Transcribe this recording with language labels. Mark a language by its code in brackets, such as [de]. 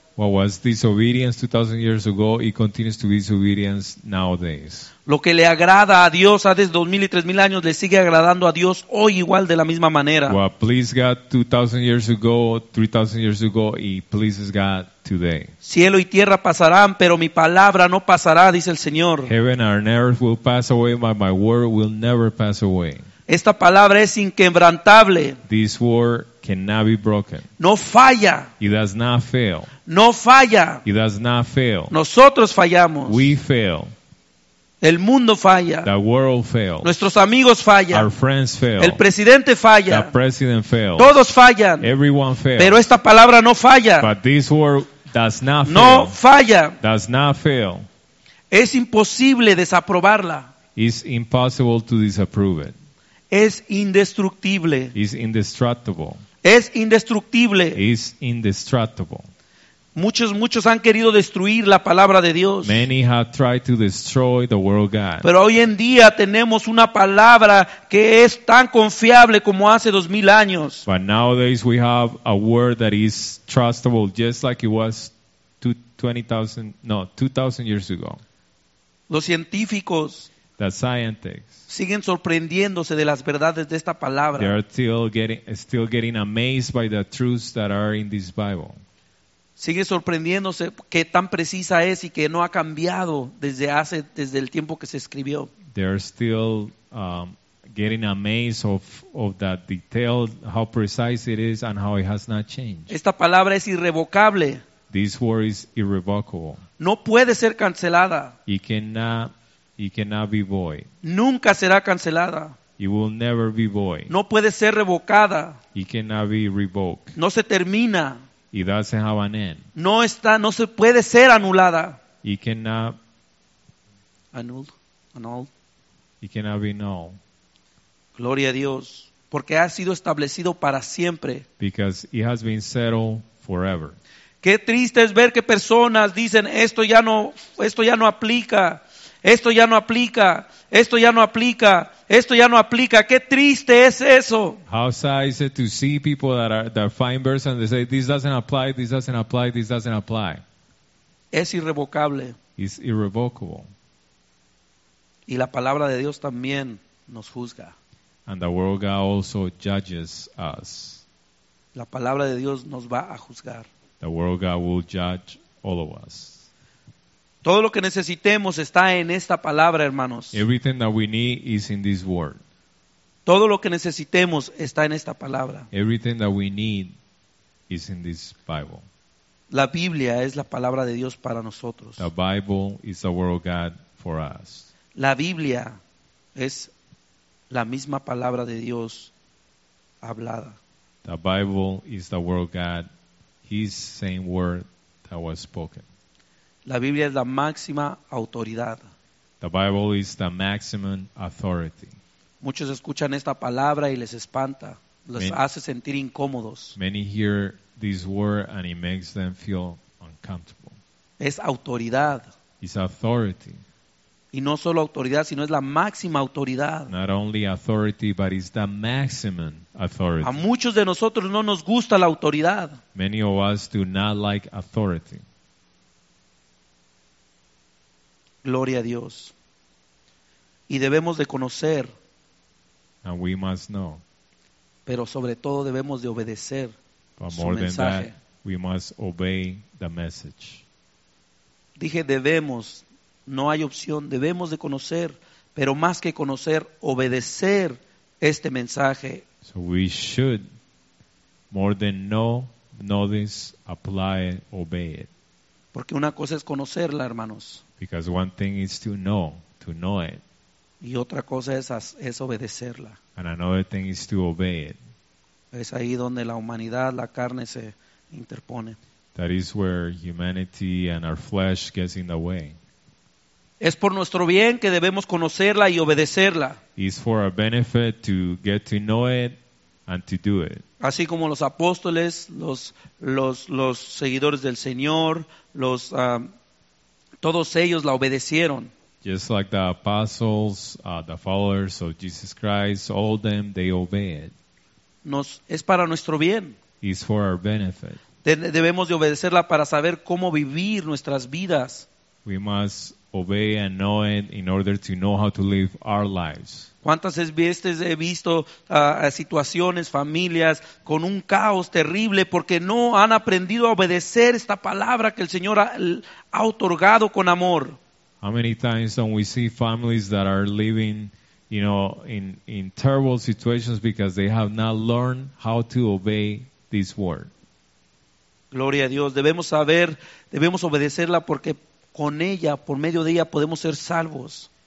[en] What was disobedience 2,000 years ago, it continues to be disobedience nowadays. [es] Lo que le agrada a Dios hace 2,000 y 3,000 años le sigue agradando a Dios hoy igual de la misma manera. [en] What pleased God 2,000 years ago, 3,000 years ago, it pleases God today. [es] Cielo y tierra pasarán, pero mi palabra no pasará, dice el Señor. [en] Heaven and earth will pass away, but my word will never pass away. [es] Esta palabra es inquebrantable. [en] This word cannot be broken. [es] No falla. [en] It does not fail. [es] No falla. [en] It does not fail. [es] Nosotros fallamos. [en] We fail. [es] El mundo falla. [en] The world fails. [es] Nuestros amigos fallan. [en] Our friends fail. [es] El presidente falla. [en] The president fails. [es] Todos fallan. [en] Everyone fails. [es] Pero esta palabra no falla. [en] But this word does not fail. [es] No falla. [en] Does not fail. [es] Es imposible desaprobarla. [en] It's impossible to disapprove it. [es] Es indestructible. [en] It's indestructible. [es] Es indestructible. [en] It's indestructible. [es] Muchos han querido destruir la palabra de Dios. [en] Many have tried to destroy the word of God. [es] Pero hoy en día tenemos una palabra que es tan confiable como hace 2,000 años. [en] But nowadays we have a word that is trustable just like it was 2,000 years ago. [es] Los científicos, [en] the scientists, [es] siguen sorprendiéndose de las verdades de esta palabra. [en] They are still getting amazed by the truths that are in this Bible. [es] Sigue sorprendiéndose que tan precisa es y que no ha cambiado desde el tiempo que se escribió. [en] They are still getting amazed of that detail, how precise it is and how it has not changed. [es] Esta palabra es irrevocable. [en] This word is irrevocable. [es] No puede ser cancelada. [en] It cannot be void. [es] Nunca será cancelada. [en] It will never be void. [es] No puede ser revocada. [en] It cannot be revoked. [es] No se termina. [en] It doesn't have an end. [es] No está, no se puede ser anulada. [en] It cannot annulled. It cannot be null. [es] Gloria a Dios, porque ha sido establecido para siempre. [en] Because it has been settled forever. [es] Qué triste es ver que personas dicen esto ya no aplica. Esto ya no aplica. Esto ya no aplica. Esto ya no aplica. Qué triste es eso. [en] How sad is it to see people that are fine verse and they say this doesn't apply, this doesn't apply, this doesn't apply. [es] Es irrevocable. [en] It's irrevocable. [es] Y la palabra de Dios también nos juzga. [en] And the word of God also judges us. [es] La palabra de Dios nos va a juzgar. [en] The word of God will judge all of us. [es] Todo lo que necesitemos está en esta palabra, hermanos. [en] Everything that we need is in this word. [es] Todo lo que necesitemos está en esta palabra. [en] Everything that we need is in this Bible. [es] La Biblia es la palabra de Dios para nosotros. [en] The Bible is the word of God for us. [es] La Biblia es la misma palabra de Dios hablada. [en] The Bible is the word of God, His same word that was spoken. [es] La Biblia es la máxima autoridad. [en] The Bible is the maximum authority. [es] Muchos escuchan esta palabra y les espanta, les hace sentir incómodos. [en] Many hear this word and it makes them feel uncomfortable. [es] Es autoridad. [en] It's authority. [es] Y no solo autoridad, sino es la máxima autoridad. [en] Not only authority, but it's the maximum authority. [es] A muchos de nosotros no nos gusta la autoridad. [en] Many of us do not like authority. [es] Gloria a Dios. Y debemos de conocer. [en] And we must know. [es] Pero sobre todo debemos de obedecer [en] but [es] su [en] more [es] mensaje. [en] Than that, we must obey the message. [es] Dije debemos. No hay opción, debemos de conocer, pero más que conocer, obedecer este mensaje. [en] So we should, more than know this, apply it, obey it. [es] Porque una cosa es conocerla, hermanos. [en] Because one thing is to know it. [es] Y otra cosa es obedecerla. [en] And another thing is to obey it. [es] Es ahí donde la humanidad, la carne se interpone. [en] That is where humanity and our flesh gets in the way. [es] Es por nuestro bien que debemos conocerla y obedecerla. [en] It's for our benefit to get to know it and to do it. [es] Así como los apóstoles, los seguidores del Señor, los todos ellos la obedecieron. [en] Just like the apostles, the followers of Jesus Christ, all them they obeyed. [es] Es para nuestro bien. [en] It's for our benefit. [es] Debemos de obedecerla para saber cómo vivir nuestras vidas. [en] We must obey and know it in order to know how to live our lives. [es] ¿Cuántas veces he visto situaciones, familias con un caos terrible porque no han aprendido a obedecer esta palabra que el Señor ha otorgado con amor? [en] How many times don't we see families that are living, you know, in terrible situations because they have not learned how to obey this word? [es] Gloria a Dios. Debemos saber, debemos obedecerla porque con ella, por medio de ella, podemos ser salvos.